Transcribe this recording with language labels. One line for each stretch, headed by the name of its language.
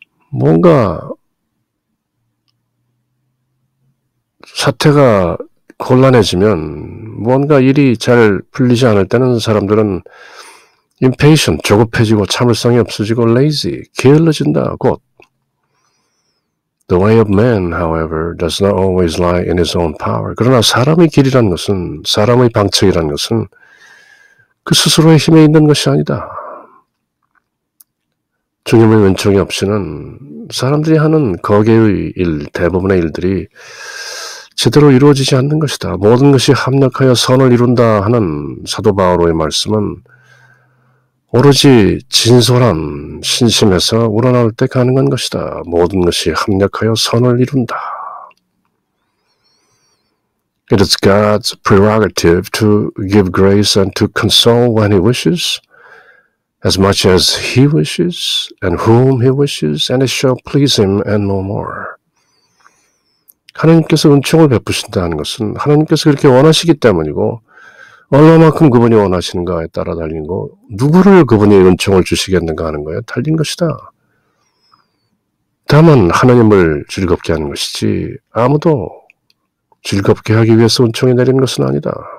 Korean: 뭔가 사태가 곤란해지면 뭔가 일이 잘 풀리지 않을 때는 사람들은 impatient, 조급해지고 참을성이 없어지고 lazy, 게을러진다, 곧.
English: The way of man, however, does not always lie in his own power.
Korean: 그러나 사람의 길이란 것은, 사람의 방책이란 것은 그 스스로의 힘에 있는 것이 아니다. 주님의 은총이 없이는 사람들이 하는 거기의 일, 대부분의 일들이 제대로 이루어지지 않는 것이다. 모든 것이 합력하여 선을 이룬다 하는 사도 바울의 말씀은 오로지 진솔한 신심에서 우러날 때 가능한 것이다. 모든 것이 합력하여 선을 이룬다.
English: It is God's prerogative to give grace and to console when he wishes, as much as he wishes, and whom he wishes, and it shall please him and no more.
Korean: 하나님께서 은총을 베푸신다는 것은 하나님께서 그렇게 원하시기 때문이고 얼마만큼 그분이 원하시는가에 따라 달린 거, 누구를 그분이 은총을 주시겠는가 하는 거에 달린 것이다. 다만 하나님을 즐겁게 하는 것이지 아무도 즐겁게 하기 위해서 은총이 내리는 것은 아니다.